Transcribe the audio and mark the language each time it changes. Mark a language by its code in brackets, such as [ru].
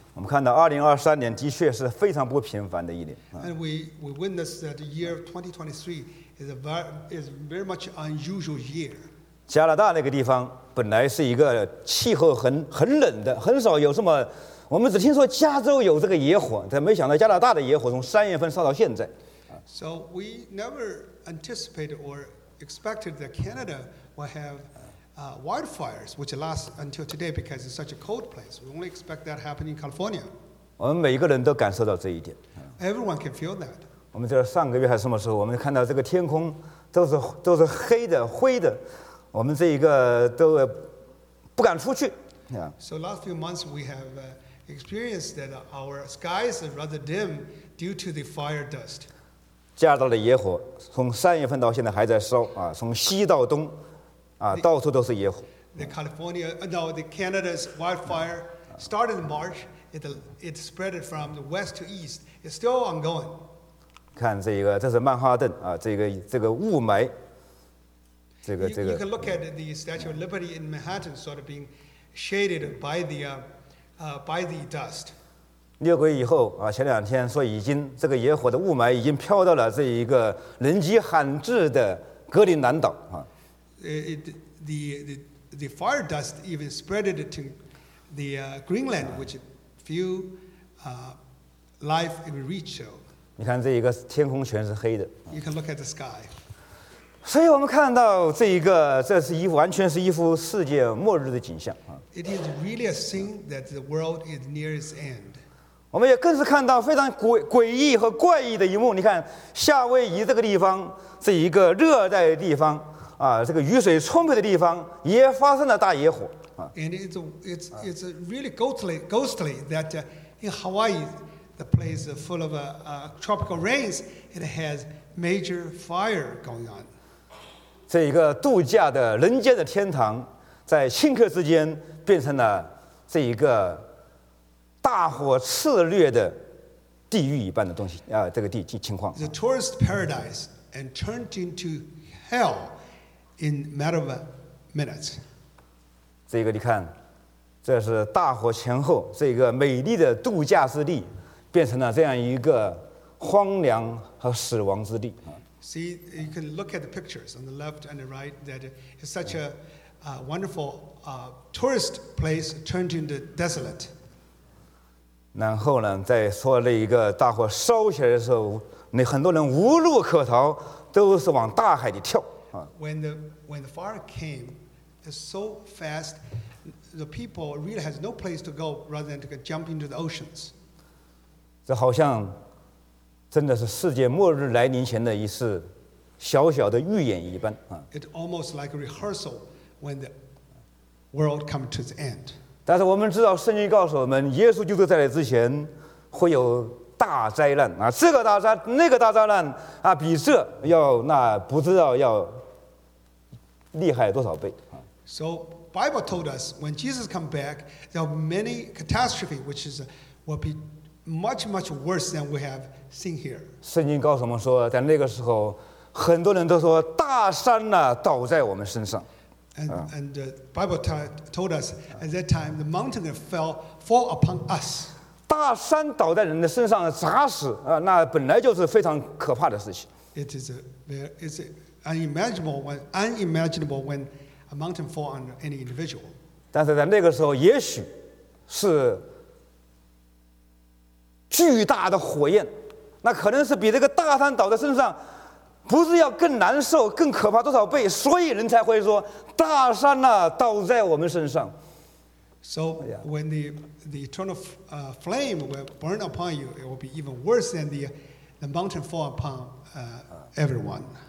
[zh] 我们看到2023年的确是非常不平凡的一年。 [en] And we witnessed that the year of 2023 is very much unusual year. [zh] 加拿大那个地方本来是一个气候很冷的，很少有这么。我们只听说加州有这个野火，但没想到加拿大的野火从三月份烧到现在。 [en] So we never anticipated or expected that Canada will have wildfires, which last until today because it's such a cold place. We only expect that happening in California. [zh] 我们每一个人都感受到这一点。 [en] Everyone can feel that. [zh] 我们在上个月还什么时候，我们看到这个天空都是黑的、灰的，我们这一个都不敢出去。 [en] So last few months we have experienced that our skies are rather dim due to the fire dust. [zh] 加拿大的野火从三月份到现在还在烧啊，从西到东啊，到处都是野火。 [en] The Canada's wildfire started in March. It spread from the west to east. It's still ongoing. [zh] 看这个，这是曼哈顿啊，这个雾霾。这个。 [en] You can look at the Statue of Liberty in Manhattan, sort of being shaded by the dust. [zh] 六个月以后啊，前两天说已经这个野火的雾霾已经飘到了这一个人迹罕至的格陵兰岛啊。 [en] The fire dust even spread it to the Greenland, which few life in reach of. [zh] 你看这一个天空全是黑的。 [en] You can look at the sky. [zh] 所以我们看到这一个，这是一完全是一幅世界末日的景象啊。 [en] It is really a thing that the world is near its end. [zh] 我们也更是看到非常诡异和怪异的一幕。你看夏威夷这个地方，这一个热带的地方啊，这个雨水充沛的地方，也发生了大野火啊。 [en] And it's really ghostly that in Hawaii, the place full of tropical rains, it has major fire going on. [zh] 这一个度假的人间的天堂，在顷刻之间变成了这一个大火肆虐的地狱一般的东西啊，这个情况。 [en] The tourist paradise and turned into hell in matter of minutes. [zh] 这个你看，这是大火前后这个美丽的度假之地，变成了这样一个荒凉和死亡之地。 [en] See, you can look at the pictures on the left and the right. That is such a wonderful tourist place turned into desolate. [zh] 然后呢，在说那一个大火烧起来的时候，那很多人无路可逃，都是往大海里跳。 [en] When the fire came, it's so fast, the people really has no place to go rather than to jump into the oceans. [zh] 这好像真的是世界末日来临前的一次小小的预演一般啊。 [en] It almost like a rehearsal when the world comes to its end. [zh] 但是我们知道，圣经告诉我们，耶稣基督再来之前会有大灾难啊，这个大灾那个大灾难啊，比这要那不知道要厉害多少倍啊。 [en] So Bible told us when Jesus come back, there are many catastrophe which is will be much much worse than we have. [zh] 圣经告诉我们说，在那个时候，很多人都说大山呢、啊、倒在我们身上。 [en] And the Bible told us at that time the mountain fell upon us. [zh] 大山倒在人的身上砸死啊，那本来就是非常可怕的事情。 [en] It is unimaginable when a mountain fall on any individual. [zh] 但是在那个时候，也许是巨大的火焰。那可能是比这个大山倒在身上，不是要更难受、更可怕多少倍，所以人才会说大山呐、啊、倒在我们身上。 [en] So when the eternal flame will burn upon you, it will be even worse than the mountain fall upon everyone.